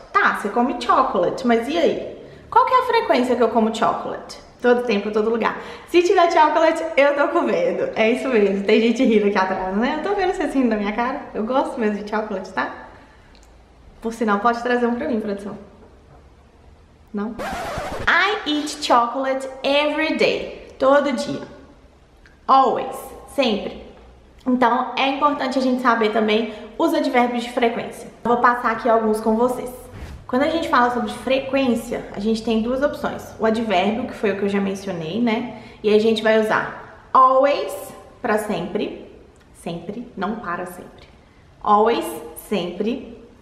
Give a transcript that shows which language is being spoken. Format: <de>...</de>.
<pt>Tá, você come chocolate, mas e aí? Qual que é a frequência que eu como chocolate? Todo tempo, todo lugar. Se tiver chocolate, eu tô comendo. É isso mesmo. Tem gente rindo aqui atrás, né? Eu tô vendo você rindo da minha cara. Eu gosto mesmo de chocolate, tá? Por sinal, pode trazer um pra mim, produção. Não?</pt> <en>I eat chocolate every day.</en> <pt>Todo dia. Always. Sempre. Então, é importante a gente saber também os advérbios de frequência. Vou passar aqui alguns com vocês. Quando a gente fala sobre frequência, a gente tem duas opções. O advérbio, que foi o que eu já mencionei, né? E a gente vai usar always, pra sempre. Sempre, não para sempre. Always, sempre.</pt>